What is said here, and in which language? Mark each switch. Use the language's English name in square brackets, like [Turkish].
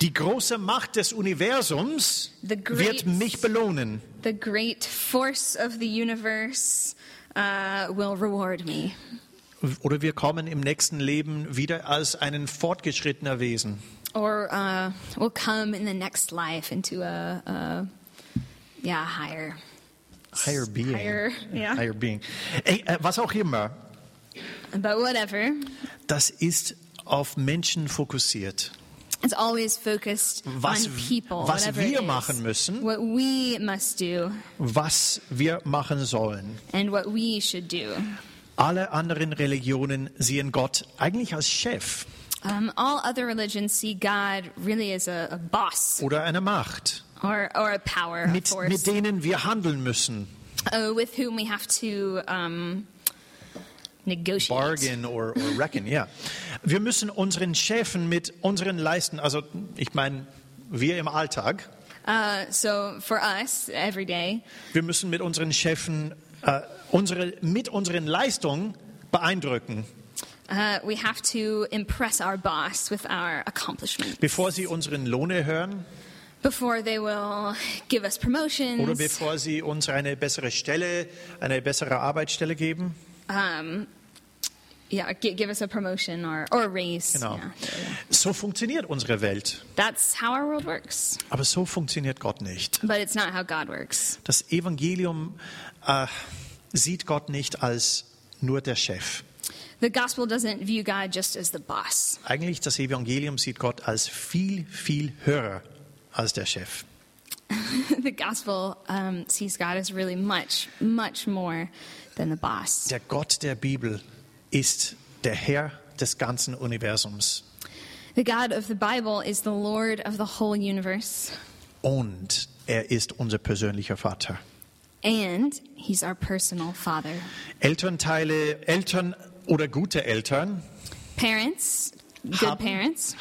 [German] Die große Macht des Universums wird mich belohnen. [English] The great force of the universe will reward me. [German] Oder wir kommen im nächsten Leben wieder als einen fortgeschrittener Wesen. [English] Or we'll come in the next life into a higher. Higher being. Higher being. [German] Ey, was auch immer. [English] But whatever. [German] Das ist auf Menschen fokussiert. [English] It's always focused on people. [German] Was wir machen müssen. [English] What we must do. [German] Was wir machen sollen. [English] And what we should do. [German] Alle anderen Religionen sehen Gott eigentlich als Chef. [English] All other religions see God really as a boss. [German] Oder eine Macht. [English] Or a power, [German] mit, [English] a force. [German] Mit denen wir handeln müssen. [English] With whom we have to negotiate. Bargain or reckon, yeah. [German] Wir müssen unseren Chefen mit unseren Leisten, also ich meine, wir im Alltag. [English] So for us, every day. [German] Wir müssen mit unseren Chefen, mit unseren Leistungen beeindrucken. [English] We have to impress our boss with our accomplishments. [German] Bevor sie unseren Lohn erhören. [English] Before they will give us promotions. [German] Oder bevor sie uns eine bessere Stelle, eine bessere Arbeitsstelle geben. [English] Give us a promotion or a raise. [German] Genau. So funktioniert unsere Welt. [English] That's how our world works. [German] Aber so funktioniert Gott nicht. [English] But it's not how God works. [German] Das Evangelium sieht Gott nicht als nur der Chef. [English] The gospel doesn't view God just as the boss. [German] Eigentlich das Evangelium sieht Gott als viel, viel höher als der Chef. [English] The gospel sees God as really much, much more than the boss. [German] Der Gott der Bibel ist der Herr des ganzen Universums. [English] The God of the Bible is the Lord of the whole universe. [German] Und er ist unser persönlicher Vater. [English] And he's our personal father. [German] Eltern oder gute Eltern, [English] parents, good parents,